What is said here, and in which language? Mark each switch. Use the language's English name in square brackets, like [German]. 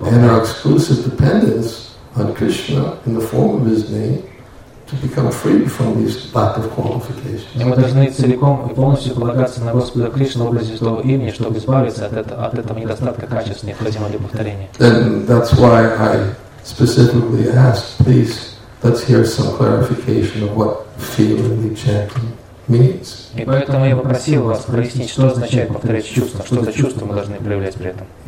[Russian] Бога. [English] And our exclusive dependence on Krishna in the form of His name to become free from these lack of qualifications. [Russian] И мы должны целиком и полностью полагаться на Господа Кришну в образе Святого имени, чтобы избавиться от этого недостатка качеств, необходимых для повторения. [English] And that's why I specifically asked, please, let's hear some clarification of what feelingly chanting. [Russian] И поэтому я попросил вас прояснить, что означает повторять чувства, что за чувства мы должны проявлять при этом.